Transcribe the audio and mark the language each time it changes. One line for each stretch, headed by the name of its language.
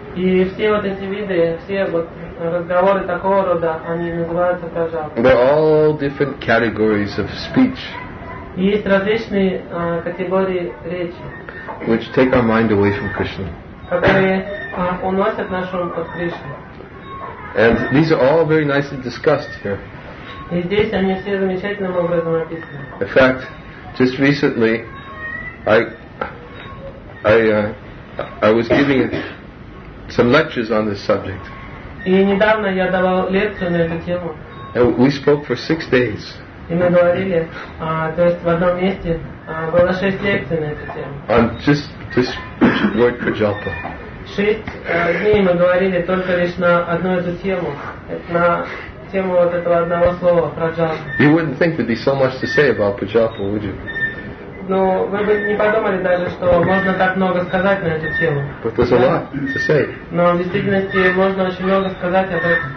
Russian: И все вот эти виды, все вот разговоры такого рода, они называются prajalpa.
English: They're all different categories of speech.
Russian: Есть различные категории речи,
English: which take our mind away from Krishna.
Russian: Которые уносят нашу руку от Кришны.
English: And these are all very nicely discussed here.
Russian: И здесь они все замечательным образом описаны.
English: In fact, just recently, I was giving some lectures on this subject.
Russian: И недавно я давал лекцию на эту тему.
English: And we spoke for 6 days.
Russian: И мы говорили, то есть в одном месте было 6 лекций на эту тему.
English: On just word prajalpa.
Russian: 6 дней мы говорили только лишь на одну эту тему, на тему вот этого одного слова prajalpa.
English: You wouldn't think there'd be so much to say about prajalpa, would you?
Russian: Ну, вы бы не подумали даже, что можно так много сказать на эту тему.
English: But there's a lot to say.
Russian: Но в действительности можно очень много сказать об этом.